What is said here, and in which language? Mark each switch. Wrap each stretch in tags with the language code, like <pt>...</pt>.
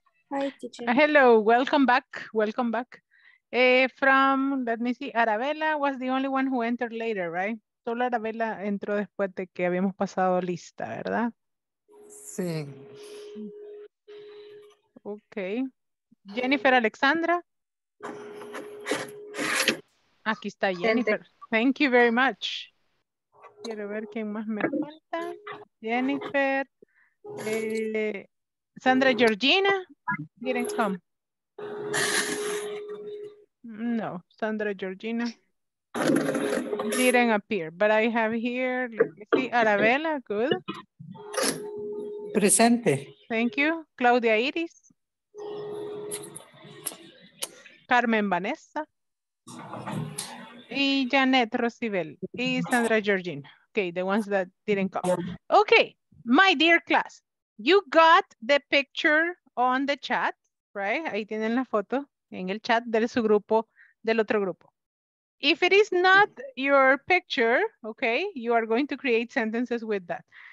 <en>Hi, teacher. Hello, welcome back, welcome back. From, let me see, Arabella was the only one who entered later, right?</en> <es>Solo Arabella entró después de que habíamos pasado lista, ¿verdad? Sí.</es> <en>Okay. Jennifer Alexandra.</en> <es>Aquí está Jennifer.</es> <en>Thank you very much.</en> <es>Quiero ver quién más me falta. Jennifer.</es> <en>Sandra Georgina didn't come. No, Sandra Georgina didn't appear, but I have here, let me see, Arabella, good.</en> <es>Presente.</es> <en>Thank you. Claudia Iris.</en> <es>Carmen Vanessa. Y Janet Rosibel.</es> <en>Y Sandra Georgina. Okay, the ones that didn't come. Okay, my dear class, you got the picture on the chat, right?</en> <es>Ahí tienen la foto en el chat de su grupo, del otro grupo.</es> <en>If it is not your picture, okay, you are going to create sentences with that.</en>